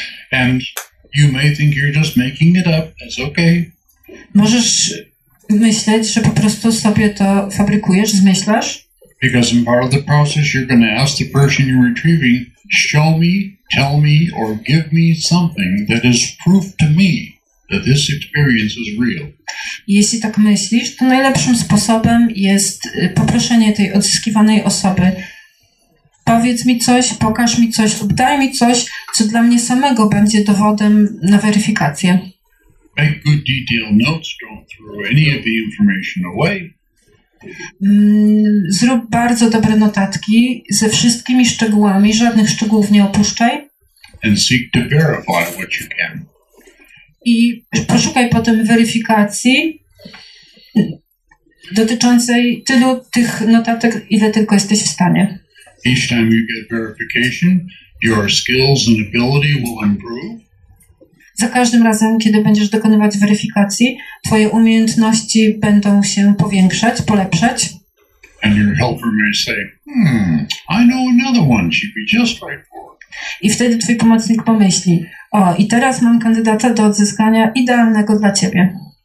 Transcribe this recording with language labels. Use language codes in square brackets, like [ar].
[en] And you may think you're just making it up, that's okay. [pl] Możesz myśleć, że po prostu sobie to fabrykujesz, zmyślasz. [en] Because in part of the process you're going to ask the person you're retrieving, show me, tell me, or give me something that is proof to me that this experience is real. [pl] Jeśli tak myślisz, to najlepszym sposobem jest poproszenie tej odzyskiwanej osoby. Powiedz mi coś, pokaż mi coś lub daj mi coś, co dla mnie samego będzie dowodem na weryfikację. [en] Make good detailed notes, don't throw any of the information away. [pl] Zrób bardzo dobre notatki ze wszystkimi szczegółami, żadnych szczegółów nie opuszczaj. [en] And seek to verify what you can. [pl] I poszukaj potem weryfikacji dotyczącej tylu tych notatek, ile tylko jesteś w stanie. [en] Each time you get verification, your skills and ability will improve. [pl] Za każdym razem, kiedy będziesz dokonywać weryfikacji, twoje umiejętności będą się powiększać, polepszać. [en] And your helper may say, I know another one she'd be just right for. [pl] I wtedy twój pomocnik pomyśli, o, i teraz mam kandydata do odzyskania idealnego dla ciebie.